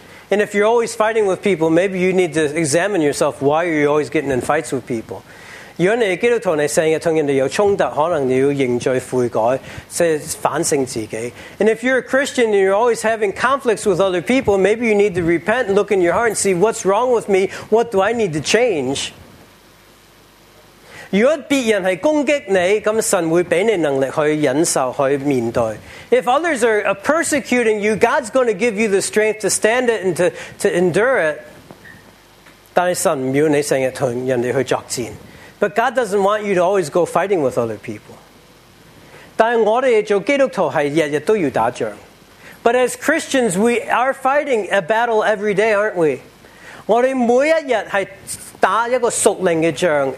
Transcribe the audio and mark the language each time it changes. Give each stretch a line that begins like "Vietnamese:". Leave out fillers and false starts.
English: And if you're always fighting with people, maybe you need to examine yourself. Why are you always getting in fights with people?
Chinese: 如果你基督徒,你经常与人有冲突,可能你要认罪悔改,反省自己.
English: And if you're a Christian and you're always having conflicts with other people, maybe you need to repent and look in your heart and see, what's wrong with me? What do I need to change?
Chinese: 如果别人是攻击你,神会给你能力去忍受,去面对.
English: If others are persecuting you, God's going to give you the strength to stand it and to endure it.
Chinese: 但是神不要你经常与人去作战.
English: But God doesn't want you to always go fighting with other people.
Chinese: 但是我们做基督徒是每天都要打仗.
English: But as Christians, we are fighting a battle every day, aren't we?
Chinese: 我们每一天是打一个属灵的仗.